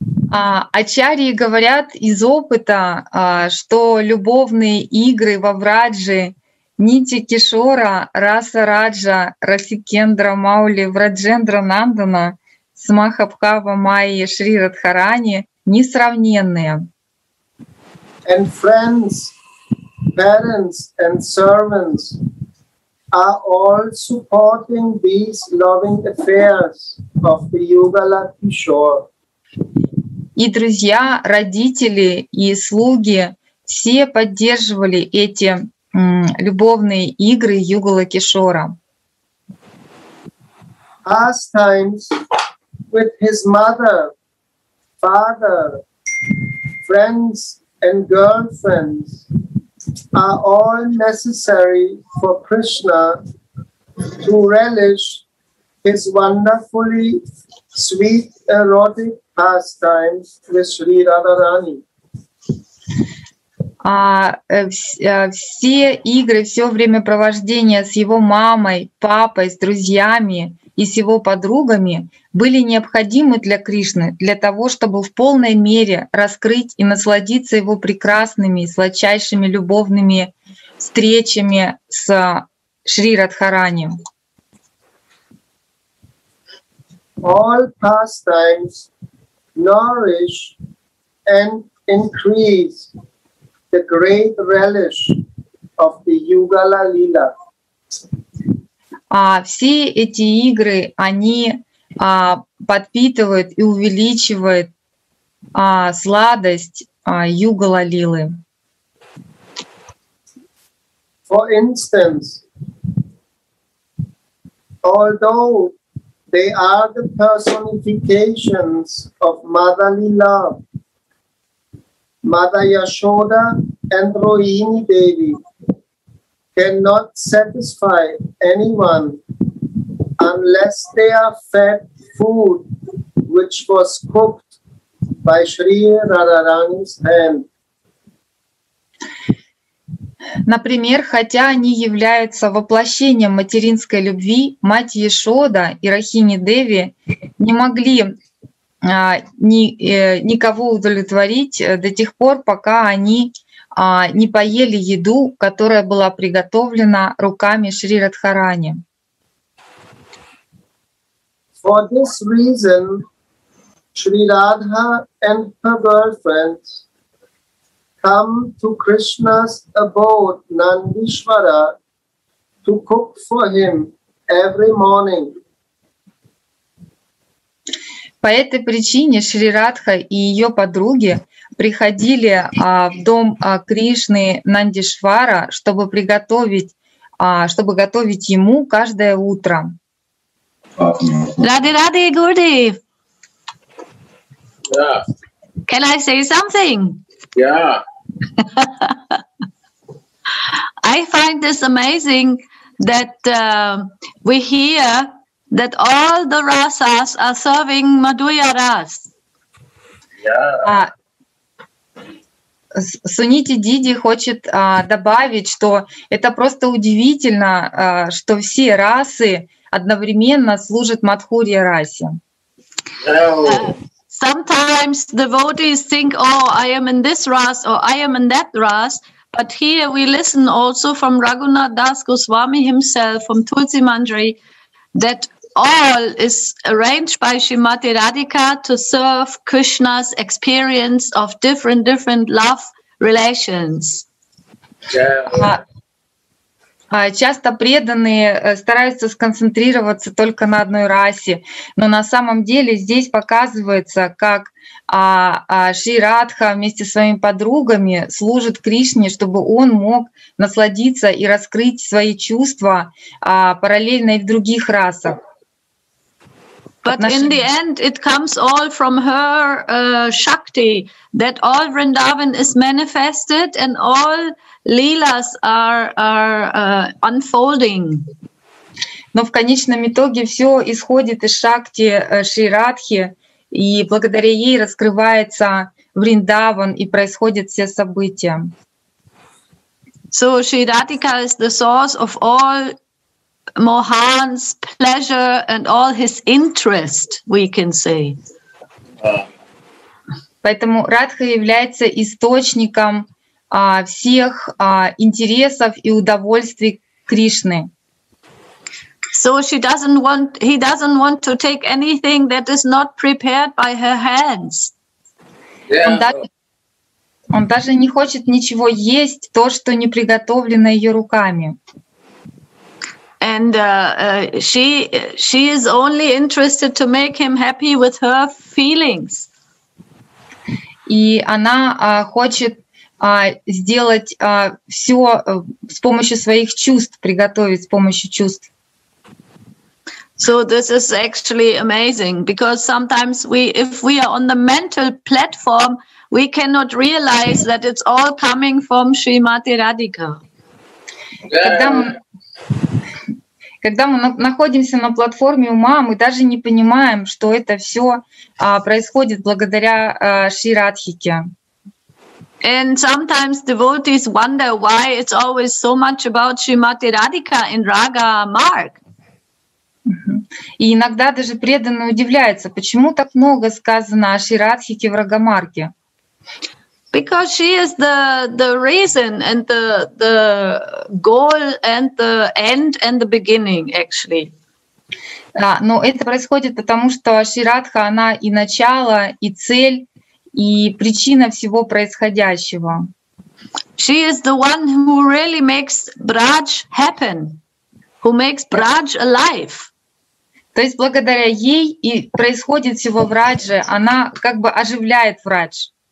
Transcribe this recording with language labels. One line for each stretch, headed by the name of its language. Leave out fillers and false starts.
Russian: Ачарьи говорят из опыта, что любовные игры во Врадже Нити Кишора Раса Раджа Расикендра Маули Враджендра Нандана с Махабхава Майи Шри Радхарани несравненные.
English: And friends, parents and servants are all supporting these loving affairs of the Yugala Kishore.
Russian: И друзья, родители и слуги все поддерживали эти любовные игры Югалы Кишора.
English: Pastimes with his mother, father, friends and girlfriends are all necessary for Krishna to relish his wonderfully sweet erotic pastimes with Sri Radharani.
Russian: Все игры, все времяпровождение с его мамой, папой, с друзьями и с его подругами были необходимы для Кришны, для того, чтобы в полной мере раскрыть и насладиться его прекрасными, сладчайшими любовными встречами с Шри Радхарани.
English: All pastimes nourish and increase the great relish of the Yugala Lila.
Russian: Все эти игры, они подпитывают и увеличивают сладость Югала Лилы.
English: For instance, although they are the personifications of motherly love, Mother Yashoda and Rohini Devi cannot satisfy anyone unless they are fed food which was cooked by Sri Radharani's hand.
Russian: Например, хотя они являются воплощением материнской любви, мать Яшода и Рахини Деви не могли никого удовлетворить до тех пор, пока они не поели еду, которая была приготовлена руками Шри Радхарани.
English: For this reason, Shri Radha and her girlfriends come to Krishna's abode, Nandishwara, to cook for him every morning.
Russian: По этой причине Шри Радха и ее подруги приходили в дом Кришны Нандишвара, чтобы готовить ему каждое утро. Ради, ради, Гурдев.
English: Yeah. Can I say something? Yeah. I find this amazing that we hear that all the rasas are serving Madhuya Ras.
Russian: Суните Диди хочет добавить, что это просто удивительно, что все расы одновременно служат Мадхурья Расе.
English: Sometimes devotees think, oh, I am in this ras or I am in that ras. But here we listen also from Raghunath Das Goswami himself, from Tulsi Mandri, that all is arranged by Srimati Radhika to serve Krishna's experience of different love relations.
Russian: Часто преданные стараются сконцентрироваться только на одной расе, но на самом деле здесь показывается, как Шри Радха вместе со своими подругами служит Кришне, чтобы он мог насладиться и раскрыть свои чувства параллельно и в других расах.
English: But in the end, it comes all from her Shakti, that all Vrindavan is manifested and all Leelas are unfolding.
Russian: Но в конечном итоге все исходит из Шакти Шри Радхи, и благодаря ей раскрывается Вриндаван и происходят все события.
English: So Shri Radhika is the source of all Mohan's pleasure and all his interest, we can say.
Russian: Поэтому Радха является источником всех интересов и удовольствий Кришны.
English: So he doesn't want to take anything that is not prepared by her hands. Yeah.
Russian: Он даже не хочет ничего есть, то, что не приготовлено ее руками.
English: And she is only interested to make him happy with her feelings.
Russian: И она хочет сделать все с помощью своих чувств, приготовить с помощью чувств.
English: So this is actually amazing, because sometimes if we are on the mental platform, we cannot realize that it's all coming from Srimati Radhika.
Russian: Когда мы находимся на платформе ума, мы даже не понимаем, что это все происходит благодаря Шри Радхике.
English: And sometimes devotees wonder why it's always so much about Srimati Radhika in Raga Marg.
Russian: И иногда даже преданные удивляются, почему так много сказано о Шри Радхике в Рага Марге.
English: Because she is the reason and the goal and the end and the beginning, actually.
Russian: Но это происходит потому, что Шри Радха, она и начало, и цель, и причина всего происходящего.
English: She is the one who really makes Braj happen, who makes Braj alive.
Russian: То есть благодаря ей и происходит всего в Радже, она как бы оживляет Врадж.